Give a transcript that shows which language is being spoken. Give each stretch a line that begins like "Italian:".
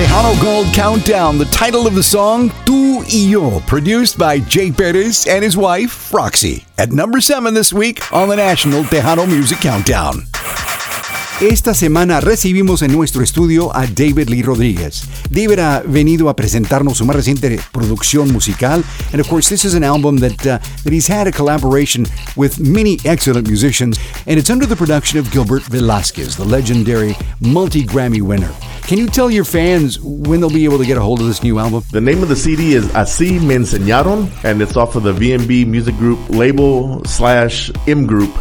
English: Countdown, the title of the song, Tú y Yo, produced by Jay Perez and his wife, Roxy, at number 7 this week on the National Tejano Music Countdown.
Spanish: Esta semana recibimos en nuestro estudio a David Lee Rodriguez. David ha venido a presentarnos su más reciente producción musical.
English: And of course, this is an album that he's had a collaboration with many excellent musicians. And it's under the production of Gilbert Velasquez, the legendary multi-Grammy winner. Can you tell your fans when they'll be able to get a hold of this new album? The name of the CD is Así Me Enseñaron, and it's off of the VMB Music Group label / M Group.